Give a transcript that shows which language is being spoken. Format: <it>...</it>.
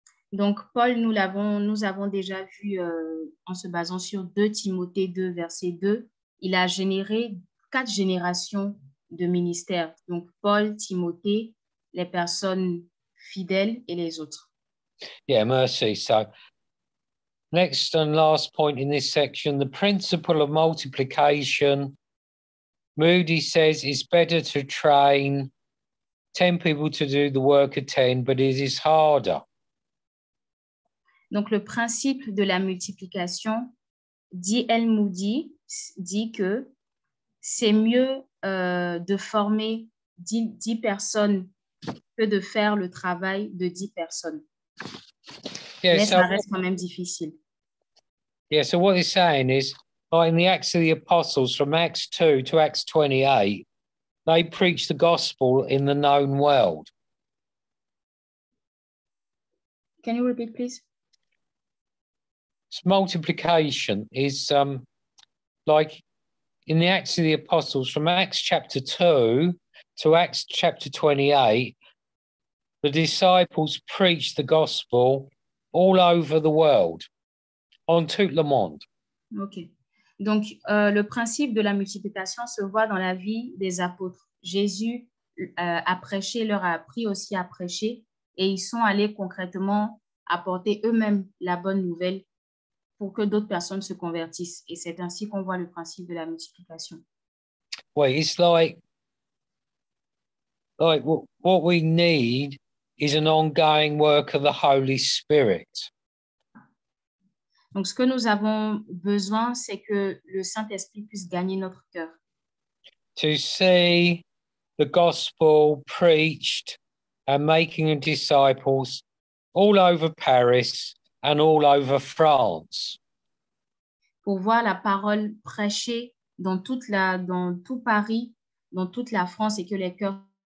<fr>Donc, Paul, nous avons déjà vu en se basant sur 2 Timothée 2, verset 2. Il a généré 4 générations de ministères. Donc, Paul, Timothée, les personnes fidèles et les autres. Yeah, merci.</fr> <en>So, next and last point in this section, the principle of multiplication. Moody says it's better to train 10 people to do the work of 10, but it is harder.</en> <fr>Donc, le principe de la multiplication, D.L. Moody, dit que c'est mieux de former 10 personnes que de faire le travail de 10 personnes. Yeah, mais ça reste quand même difficile.</fr> <en>Yeah, so what he's saying is, in the Acts of the Apostles, from Acts 2 to Acts 28, they preach the gospel in the known world. Can you repeat, please? It's multiplication is... like in the Acts of the Apostles, from Acts chapter 2 to Acts chapter 28, the disciples preached the gospel all over the world,</en> <fr>on tout le monde. OK. Donc, le principe de la multiplication se voit dans la vie des apôtres. Jésus a prêché, leur a appris aussi à prêcher, et ils sont allés concrètement apporter eux-mêmes la bonne nouvelle pour que d'autres personnes se convertissent. Et c'est ainsi qu'on voit le principe de la multiplication.</fr> <en>Oui, it's like what we need is an ongoing work of the Holy Spirit.</en> <fr>Donc, ce que nous avons besoin, c'est que le Saint-Esprit puisse gagner notre cœur.</fr> <en>To see the gospel preached and making disciples all over Paris and all over France.</en> <fr>Pour voir la parole prêchée dans toute la, dans tout Paris, dans toute la France et que les cœurs.</fr>